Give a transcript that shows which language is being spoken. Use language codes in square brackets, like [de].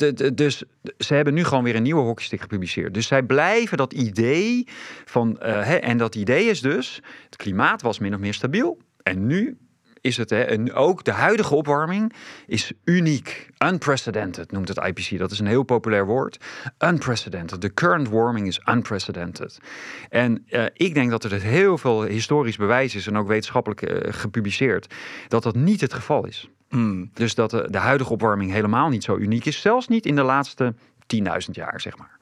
[nl] Dus ze hebben nu gewoon weer een nieuwe hockeystick gepubliceerd. Dus zij blijven dat idee van, en dat idee is dus, het klimaat was min of meer stabiel. En nu is het, en ook de huidige opwarming is uniek. Unprecedented noemt het IPCC. Dat is een heel populair woord. [en] Unprecedented. The current warming is unprecedented. [nl] En ik denk dat er heel veel historisch bewijs is en ook wetenschappelijk gepubliceerd, dat dat niet het geval is. Dus dat de huidige opwarming helemaal niet zo uniek is. Zelfs niet in de laatste 10.000 jaar, zeg maar.